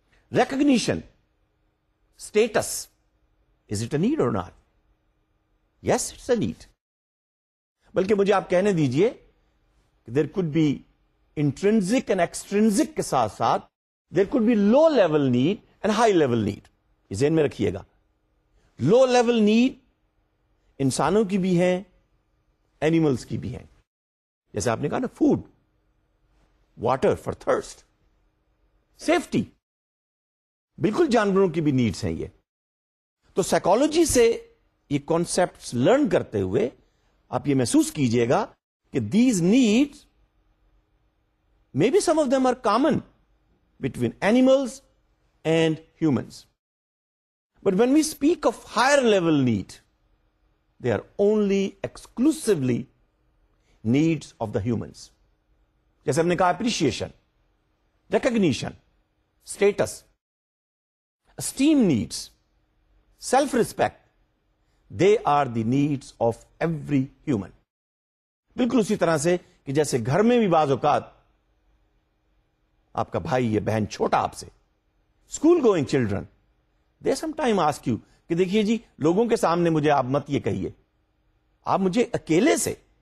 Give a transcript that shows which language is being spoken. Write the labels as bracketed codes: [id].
[en] Recognition, status, is it a need or not? Yes, it's a need. [ur] Balki mujhe aap kehne dijiye, [en] there could be intrinsic and extrinsic [ur] ke saath saath, [en] there could be low level need and high level need. [ur] یہ ذہن میں رکھیے گا. Low level need انسانوں کی بھی ہیں, animals کی بھی ہیں. جیسے آپ نے کہا نا food, water for thirst, safety, بالکل جانوروں کی بھی نیڈس ہیں یہ. تو سائیکالوجی سے یہ کانسیپٹ لرن کرتے ہوئے آپ یہ محسوس کیجیے گا کہ [en] These need Maybe some of them are common between animals and humans. But when we speak of higher level need, they are only exclusively needs of the humans. [ur] Jaise humne kaha [en] appreciation, recognition, status, esteem needs, self-respect, they are the needs of every human. [ur] بالکل اسی طرح سے کہ جیسے گھر میں بھی بعض اوقات آپ کا بھائی یا بہن چھوٹا آپ سے [en] school going children they some time ask you [ur] کہ دیکھیے جی لوگوں کے سامنے مجھے آپ مت یہ کہیے آپ مجھے اکیلے سے